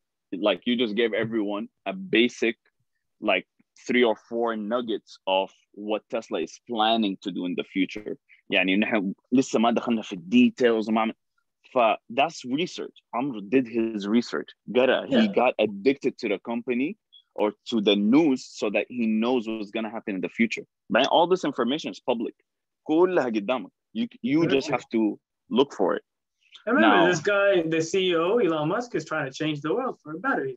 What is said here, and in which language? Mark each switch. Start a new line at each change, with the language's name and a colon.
English: you just gave everyone a basic, like, 3 or 4 nuggets of what Tesla is planning to do in the future.
Arabic: يعني نحن لسه ما دخلنا في details وما ف
English: that's research. Amr did his research. He got addicted to the company or to the news so that he knows what's gonna happen in the future. Man, all this information is public.
Arabic: كلها قدامك.
English: You just have to look for it. Remember now, this guy, the CEO Elon Musk, is trying to change the world for the better.